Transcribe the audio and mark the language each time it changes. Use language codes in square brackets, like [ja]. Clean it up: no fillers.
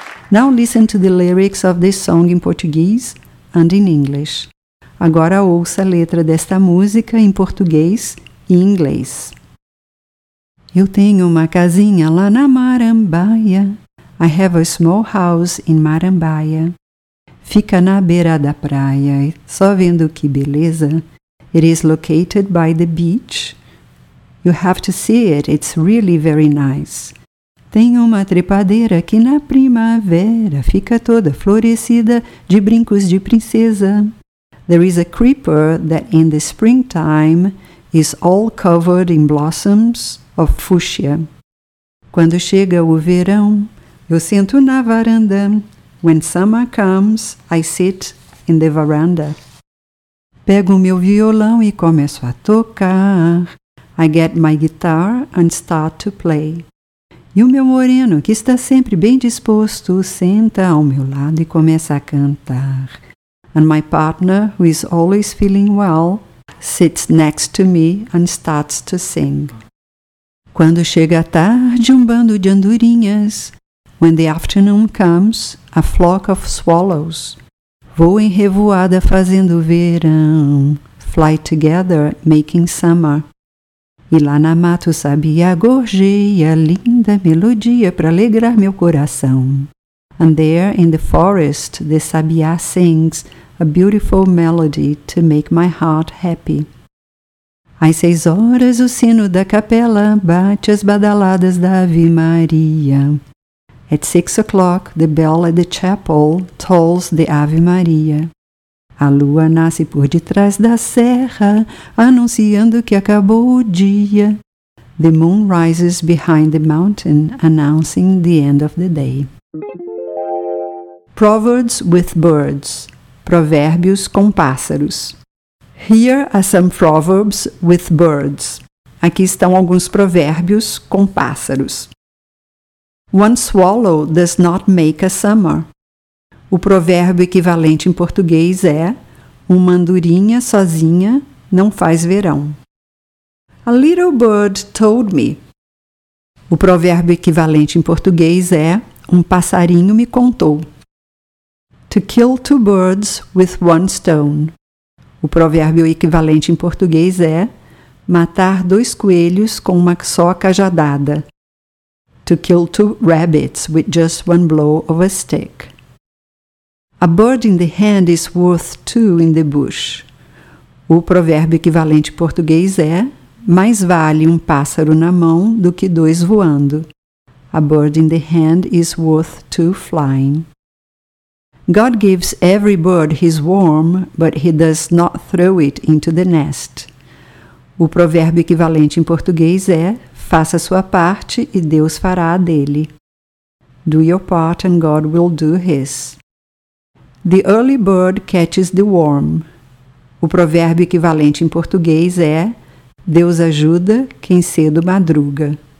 [en] Now listen to the lyrics of this song in Portuguese and in English. [pt] Agora ouça a letra desta música em português e inglês. Eu tenho uma casinha lá na Marambaia. [en] I have a small house in Marambaia. [pt] Fica na beira da praia, só vendo que beleza. [en] It is located by the beach. You have to see it, it's really very nice. [pt] Tem uma trepadeira que na primavera fica toda florescida de brincos de princesa. [en] There is a creeper that in the springtime is all covered in blossoms of fuchsia. [pt] Quando chega o verão, eu sento na varanda. [en] When summer comes, I sit in the veranda. [pt] Pego meu violão e começo a tocar. [en] I get my guitar and start to play. [pt] E o meu moreno, que está sempre bem disposto, senta ao meu lado e começa a cantar. [en] And my partner, who is always feeling well, sits next to me and starts to sing. [pt] Quando chega a tarde, um bando de andorinhas. [en] When the afternoon comes, a flock of swallows. [pt] Voa em revoada fazendo verão. [en] Fly together, making summer. [pt] E lá na mata o sabiá gorjeia, linda melodia para alegrar meu coração. [en] And there in the forest the sabiá sings a beautiful melody to make my heart happy. [pt] Às 6 horas o sino da capela bate as badaladas da Ave Maria. [en] At 6 o'clock the bell at the chapel tolls the Ave Maria. [pt] A lua nasce por detrás da serra, anunciando que acabou o dia. [en] The moon rises behind the mountain, announcing the end of the day. Proverbs with birds. [pt] Provérbios com pássaros. [en] Here are some proverbs with birds. [pt] Aqui estão alguns provérbios com pássaros. [en] One swallow does not make a summer. [pt] O provérbio equivalente em português é: uma andorinha sozinha não faz verão. [en] A little bird told me. [pt] O provérbio equivalente em português é: um passarinho me contou. [en] To kill two birds with one stone. [pt] O provérbio equivalente em português é: matar dois coelhos com uma só cajadada. [en] To kill two rabbits with just one blow of a stick. A bird in the hand is worth two in the bush. [pt] O provérbio equivalente em português é: mais vale um pássaro na mão do que dois voando. [en] A bird in the hand is worth two flying. God gives every bird his worm, but he does not throw it into the nest. [pt] O provérbio equivalente em português é: faça sua parte e Deus fará a dele. [en] Do your part and God will do his. The early bird catches the worm. [pt] O provérbio equivalente em português é: Deus ajuda quem cedo madruga.